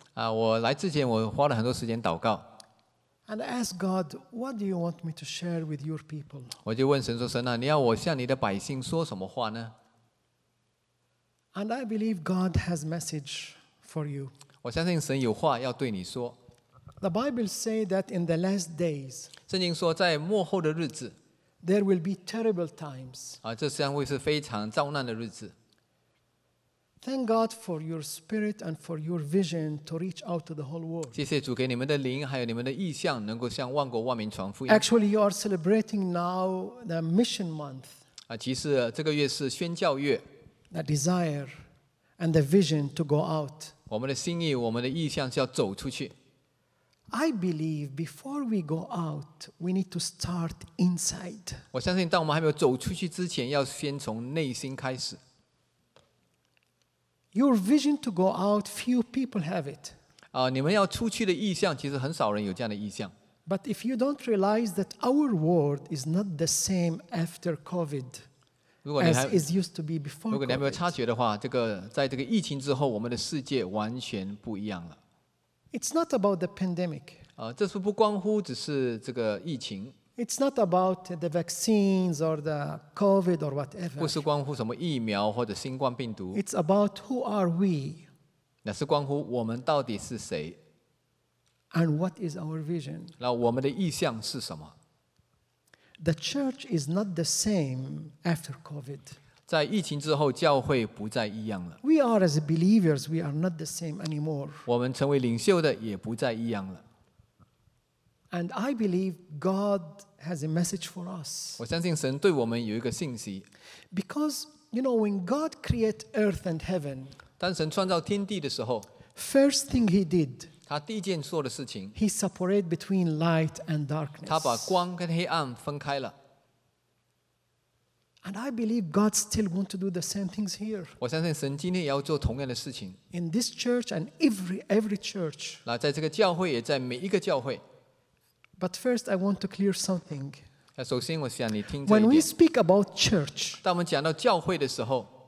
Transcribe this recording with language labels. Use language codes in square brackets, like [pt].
[zh] 我来之前我花了很多时间祷告。 [en] And I asked God, what do you want me to share with your people? [zh] 我就问神说，神啊，你要我向你的百姓说什么话呢？ [en] And I believe God has message for you. [zh] 我相信神有话要对你说。 [en] The Bible says that in the last days, [zh] 圣经说在末后的日子 [en] there will be terrible times. [zh] 这将会是非常遭难的日子。 [en] Thank God for your spirit and for your vision to reach out to the whole world. [zh] 谢谢主给你们的灵，还有你们的意向，能够向万国万民传福音。 [en] Actually, you are celebrating now the mission month. [zh] 其实这个月是宣教月。 [en] The desire and the vision to go out. [zh] 我们的心意，我们的意向是要走出去。 [en] I believe before we go out, we need to start inside. [zh] 我相信，当我们还没有走出去之前，要先从内心开始。 [en] Your vision to go out, few people have it. [zh] 你们要出去的意向，其实很少人有这样的意向。 [en] But if you don't realize that our world is not the same after COVID, as it used to be before COVID. [zh] 如果你还没有察觉的话，这个在这个疫情之后，我们的世界完全不一样了。 [en] It's not about the pandemic. [zh] 这是不关乎只是这个疫情。 [en] It's not about the vaccines or the COVID or whatever. [zh] 不是关乎什么疫苗或者新冠病毒。 [en] It's about who are we. [zh] 那是关乎我们到底是谁。 [en] And what is our vision? [zh] 那我们的意向是什么？ [en] The church is not the same after COVID. [zh] 在疫情之后，教会不再一样了。 [en] We are as believers, we are not the same anymore. [zh] 我们成为领袖的也不再一样了。 [en] And I believe God has a message for us. [zh] 我相信神对我们有一个信息。 [en] Because you know, when God created earth and heaven, [zh] 当神创造天地的时候 [en] ，first thing He did, [zh] 他第一件做的事情 [en] ，He separated between light and darkness. [zh] 他把光跟黑暗分开了。 [en] And I believe God still wants to do the same things here. [zh] 我相信神今天也要做同样的事情。 [en] In this church and every church. [zh] 那在这个教会也在每一个教会。 [en] But first, I want to clear something. [zh] 首先我想你听这一点。 [en] When we speak about church, [zh] 当我们讲到教会的时候